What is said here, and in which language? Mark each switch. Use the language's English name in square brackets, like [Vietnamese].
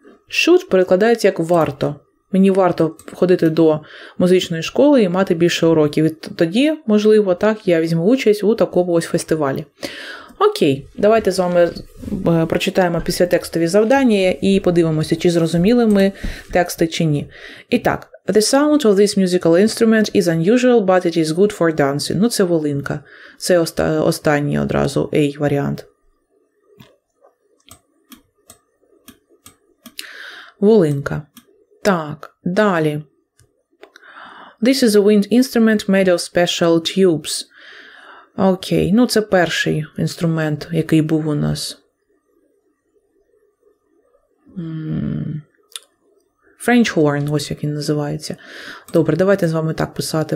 [Ukrainian] Should перекладається як варто. Мені варто ходити до музичної школи і мати більше уроків. І тоді, можливо, так, я візьму участь у такому ось фестивалі. Окей, давайте з вами прочитаємо післятекстові завдання і подивимося, чи зрозуміли ми тексти чи ні. І так, [English] the sound of this musical instrument is unusual, but it is good for dancing. [Ukrainian] Ну, це волинка. Це останній одразу A-варіант. Волинка. Так, далі. [English] This is a wind instrument made of special tubes. [Ukrainian] Окей, ну це перший інструмент, який був у нас. French horn, ось як він називається. Добре, давайте з вами так писати.